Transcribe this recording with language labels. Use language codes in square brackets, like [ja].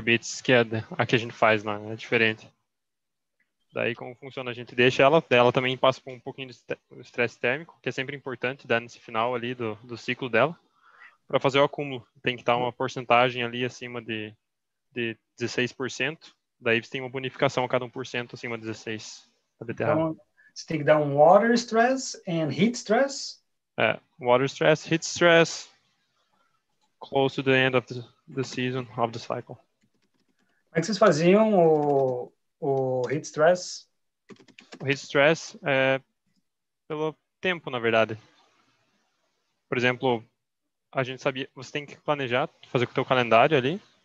[pt] Beets, que é a que a gente faz lá, né? É diferente. Daí como funciona, a gente deixa ela, ela também passa por um pouquinho de estresse térmico, que é sempre importante dar nesse final ali do ciclo dela. Para fazer o acúmulo, tem que estar uma porcentagem ali acima de 16%. Daí você tem uma bonificação a cada 1% acima de 16% da beterraba. Então, você tem que dar um [en] water stress and heat stress? [pt] É, [en] water stress, heat stress, close to the end of the season, of the cycle. [pt] Como é que vocês faziam o heat stress? O heat stress é pelo tempo, na verdade. Por exemplo, a gente sabia, você tem que planejar, fazer com o teu calendário ali.